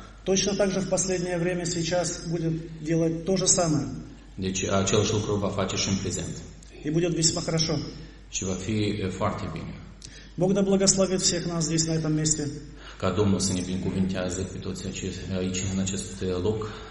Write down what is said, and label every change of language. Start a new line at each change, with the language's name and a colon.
Russian: Точно так же в последнее время сейчас будет делать то же самое.
Romanian: Deci același lucru va face și în prezent.
Russian: И будет весьма хорошо.
Romanian: Și va fi foarte bine.
Russian: Бог да благословит всех нас здесь на этом месте.
Romanian: Ca Domnul să ne binecuvânteze pe toți aici în acest loc.